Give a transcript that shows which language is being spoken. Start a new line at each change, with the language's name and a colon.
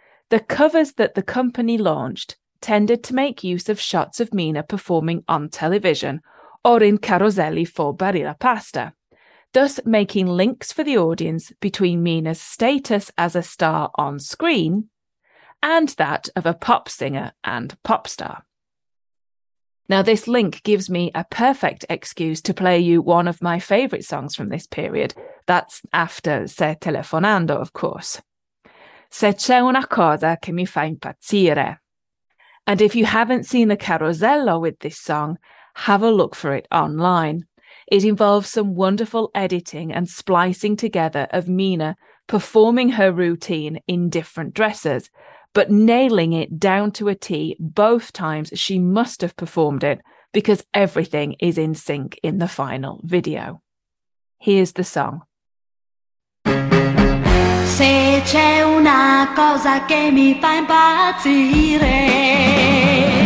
English: The covers that the company launched tended to make use of shots of Mina performing on television or in caroselli for Barilla Pasta, thus making links for the audience between Mina's status as a star on screen and that of a pop singer and pop star. Now, this link gives me a perfect excuse to play you one of my favourite songs from this period. That's after Se Telefonando, of course.
Italian: Se c'è una cosa che mi fa impazzire.
English: And if you haven't seen the carosello with this song, have a look for it online. It involves some wonderful editing and splicing together of Mina performing her routine in different dresses, but nailing it down to a T both times she must have performed it, because everything is in sync in the final video. Here's the song.
Italian: Se c'è una cosa che mi fa impazzire,